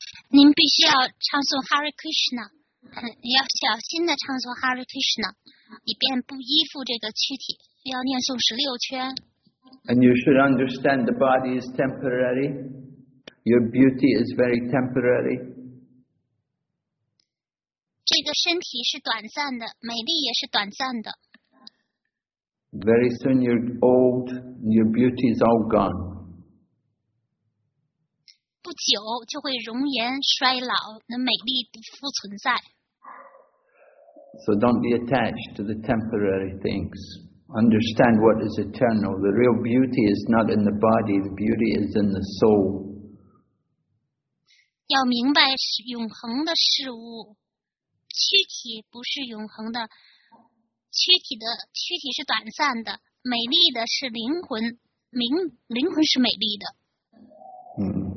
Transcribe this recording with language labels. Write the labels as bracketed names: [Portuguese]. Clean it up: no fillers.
[Chinese] 您必须要唱诵 Hare Krishna。你要小心的唱诵 Hare Krishna， 以便不依附这个躯体。要念诵16圈。 [English] And you should understand the body is temporary. Your beauty is very temporary. [Chinese] 这个身体是短暂的，美丽也是短暂的。 [English] Very soon you're old. Your beauty is all gone. [Chinese] 不久就会容颜衰老，那美丽不复存在。 [English] So don't be attached to the temporary things. Understand what is eternal. The real beauty is not in the body. The beauty is in the soul. [Chinese] 要明白永恒的事物，躯体不是永恒的，躯体是短暂的，美丽的是灵魂，灵魂是美丽的。